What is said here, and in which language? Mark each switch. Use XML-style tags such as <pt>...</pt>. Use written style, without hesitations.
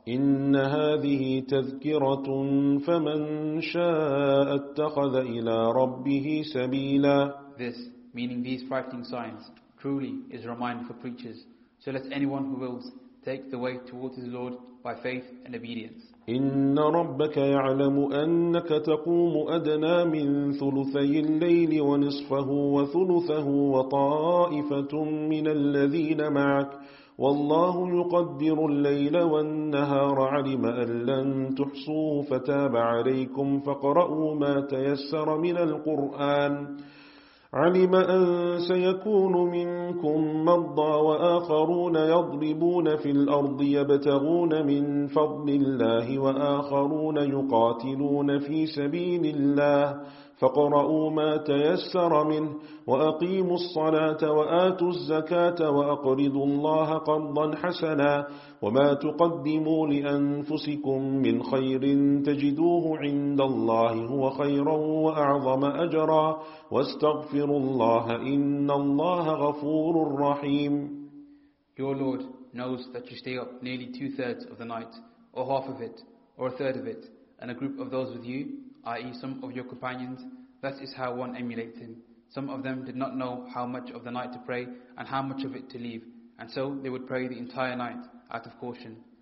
<ar>إِنَّ هَذِهِ تَذْكِرَةٌ فَمَنْ شَاءَ اتَّخَذَ إِلَىٰ رَبِّهِ سَبِيلًا.</ar> <en>This, meaning these frightening signs, truly is a reminder for preachers. So let anyone who wills take the way towards his Lord by faith and obedience.</en> <ar>إِنَّ رَبَّكَ يَعْلَمُ أَنَّكَ تَقُومُ أَدْنَى مِنْ ثُلُثَيِ اللَّيْلِ وَنِصْفَهُ وَثُلُثَهُ وَطَائِفَةٌ مِنَ الَّذِينَ مَعَكَ وَاللَّهُ يُقَدِّرُ اللَّيْلَ وَالنَّهَارَ عَلِمَ أَنْ لَنْ تُحْصُوهُ فَتَابَ عَلَيْكُمْ فَاقْرَؤُوا مَا تَيَسَّرَ مِنَ الْقُرْآنِ علم أن سيكون منكم مرضى وآخرون يضربون في الأرض يبتغون من فضل الله وآخرون يقاتلون في سبيل الله فقرؤوا ما تيسر منه وأقيموا الصلاة وآتوا الزكاة وأقرضوا الله قرضا حسنا وما تقدموا لأنفسكم من خير تجدوه عند الله هو خيرا وأعظم أجرا واستغفروا الله إن الله غفور رحيم.</ar> <en>Your Lord knows that you stay up nearly 2/3 of the night, or half of it, or 1/3 of it, and a group of those with you, i.e. some of your companions, that is how one emulates him. Some of them did not know how much of the night to pray and how much of it to leave, and so they would pray the entire night out of caution.</en>